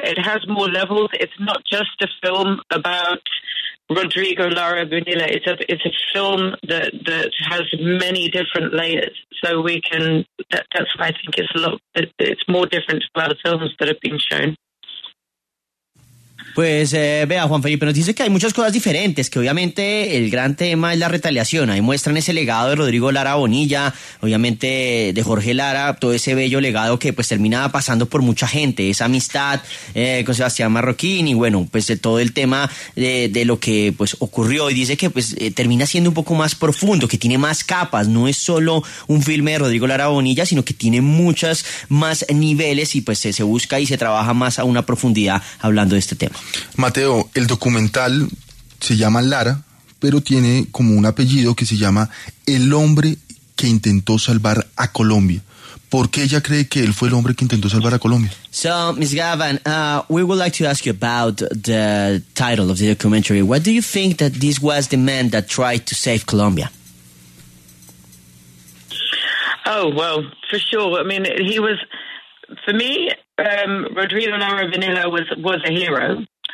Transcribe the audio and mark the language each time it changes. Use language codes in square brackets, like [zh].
[en] It has more levels. It's not just a film about Rodrigo Lara Bonilla. It's a film that has many different layers. So we can, that's why I think it's more different to other films that have been shown. [es] Pues vea, Juan Felipe, nos dice que hay muchas cosas diferentes, que obviamente el gran tema es la retaliación. Ahí muestran ese legado de Rodrigo Lara Bonilla, obviamente de Jorge Lara, todo ese bello legado que pues termina pasando por mucha gente, esa amistad con Sebastián Marroquín y bueno, pues todo el tema de lo que pues ocurrió. Y dice que pues termina siendo un poco más profundo, que tiene más capas, no es solo un filme de Rodrigo Lara Bonilla, sino que tiene muchas más niveles y pues se busca y se trabaja más a una profundidad hablando de este tema. Mateo, el documental se llama Lara, pero tiene como un apellido que se llama El hombre que intentó salvar a Colombia. ¿Por qué ella cree que él fue el hombre que intentó salvar a Colombia? [en] So, Ms. Gavan, we would like to ask you about the title of the documentary. What do you think that this was the man that tried to save Colombia? Oh, well, for sure. I mean, he was, for me, Rodrigo Lara Bonilla was a hero.